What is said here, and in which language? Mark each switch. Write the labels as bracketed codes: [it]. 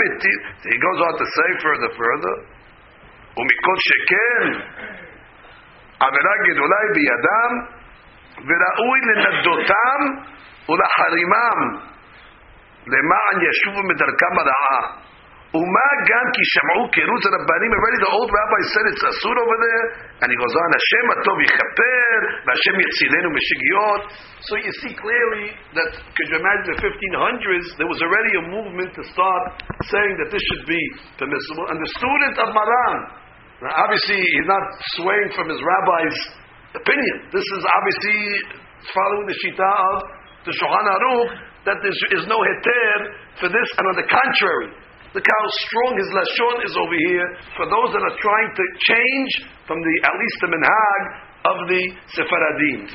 [en] He goes on to say further. [he] ומכל שכן, עבירה גדולה היא בידם, וראוי לנדותם ולחרימם למען ישובו מדרכם הרעה. ומה גם כי שמעו קירוץ הרבנים, [en] already the old rabbi said it's אסור over there, and he goes on, [he] השם הטוב יכפר, והשם יצילנו משגיאות. [en] So you see clearly that, could you imagine the 1500s, there was already a movement to start saying that this should be permissible. And the student of Maran, now obviously he's not swaying from his rabbi's opinion. This is obviously following the shita of the Shulchan Aruch that there is no heter for this, and on the contrary, look how strong his lashon is over here for those that are trying to change from the at least the minhag of the Sephardim.